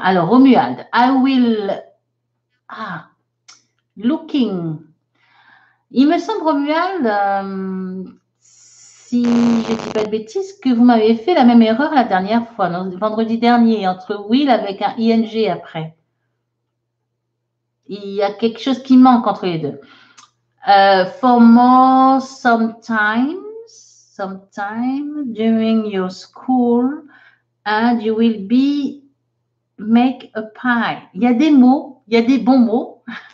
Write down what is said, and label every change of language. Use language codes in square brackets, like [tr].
[fr] Alors, Romuald, [en] I will. [fr] Ah, looking. Il me semble, Romuald, si si je ne dis pas de bêtises, que vous m'avez fait la même erreur la dernière fois, vendredi dernier, entre will avec un ing après. Il y a quelque chose qui manque entre les deux. [en] For more, sometime during your school, and you will be make a pie. [fr] Il y a des mots, il y a des bons mots.